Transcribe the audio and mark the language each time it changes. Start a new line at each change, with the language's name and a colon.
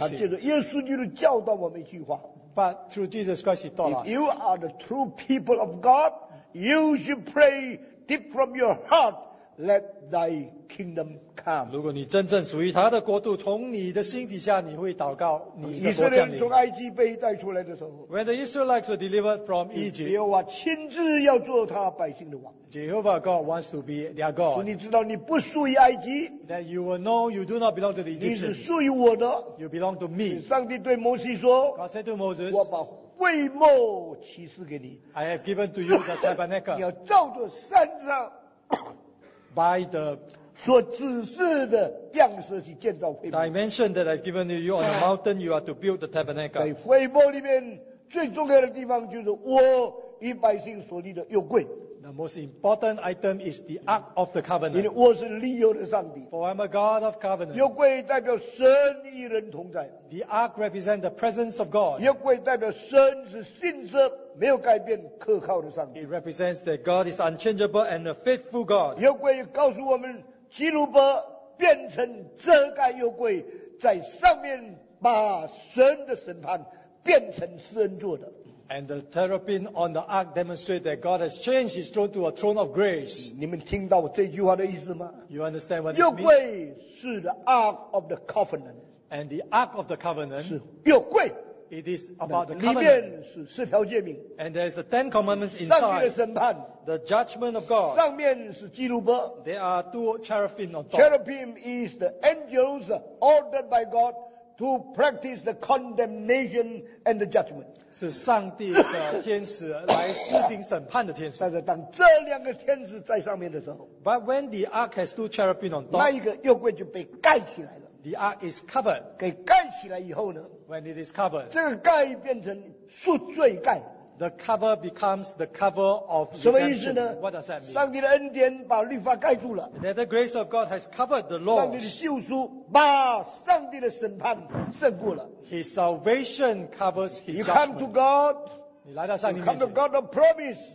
Chinese: 他记得耶稣基督教导我们一句话。
English: But through Jesus Christ he taught us. If you are the true people of God, you should pray deep from your heart. Let thy kingdom come.
Chinese: 如果你真正属于他的国度，从你的心底下，你会祷告你的国降临。以色列从埃及被带出来的时候
English: ，When the Israelites were delivered from Egypt，
Chinese: 耶和华亲自要做他百姓的王。
English: Jehovah God wants to be their God。
Chinese: 你知道你不属于埃及
English: ，That you will know you do not belong to the Egyptians。
Chinese: 你是属于我的
English: ，You belong to me。
Chinese: 上帝对摩西说
English: ，God said to Moses，
Chinese: 我把会幕启示给你。
English: I have given to you the tabernacle。
Chinese: 你要照着山上。
English: By the
Chinese: 所指示的样式去建造会幕。
English: Dimension that I've given you on the mountain, you are to build the tabernacle.
Chinese: 在会幕里面最重要的地方就是我与百姓所立的约柜。
English: The most important item is the Ark of the Covenant.
Chinese: 因为我是立约的上帝。
English: For I'm a God of Covenant.
Chinese: 约柜代表神与人同在。
English: The Ark represents the presence of God.
Chinese: 约柜代表神是信实。没有改变可靠的上帝。
English: It represents that God is unchangeable and a faithful God.
Chinese: 约柜告诉我们，基路伯变成遮盖约柜，在上面把神的审判变成施恩座的。
English: And the terebin on the ark demonstrate that God has changed His throne to a throne of grace.
Chinese: 你们听到这句话的意思吗
English: ？You understand what it means?
Chinese: 约柜是
English: the ark of the covenant. And the ark of the covenant
Chinese: 是约柜。
English: It is about the covenant.
Chinese: 里面是四条诫命。
English: And there is the Ten Commandments inside.
Chinese: 上帝的审判。
English: The judgment of God.
Chinese: 上面是基路伯。
English: There are two cherubim on top. Cherubim is the angels ordered by God to practice the condemnation and the judgment.
Chinese: 是上帝的天使来施行审判的天使。但是当这两个天使在上面的时候。
English: But when the ark has two cherubim on top.
Chinese: 那一个右柜就被盖起来了。
English: The ark is covered.
Chinese: 给盖起来以后呢。
English: When it is covered,
Chinese: 这个盖变成赎罪盖。
English: The cover becomes the cover of redemption.
Chinese: 什么意思呢
English: ？What does that mean?
Chinese: 上帝的恩典把律法盖住了。
English: That the grace of God has covered the law.
Chinese: 上帝的救赎把上帝的审判胜过了。
English: His salvation covers His judgment. You come to God.
Chinese: 你来到上帝面前。
English: You come to God of promise.